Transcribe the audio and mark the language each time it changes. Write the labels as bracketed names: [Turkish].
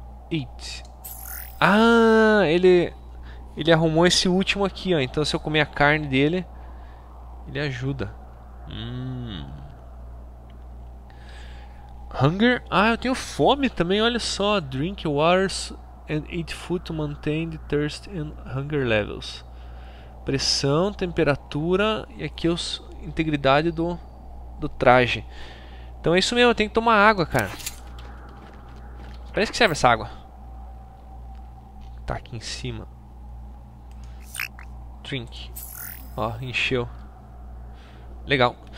[Portuguese] Eat. Ah, ele arrumou esse último aqui, ó. Então se eu comer a carne dele, ele ajuda. Hunger? Ah, eu tenho fome também, olha só. [English] Drink waters and eat food to maintain the thirst and hunger levels. [Portuguese] Pressão, temperatura e aqui a integridade do traje. Então é isso mesmo, eu tenho que tomar água, cara. Pra isso que serve essa água? Tá aqui em cima. Drink. Ó, encheu. Legal.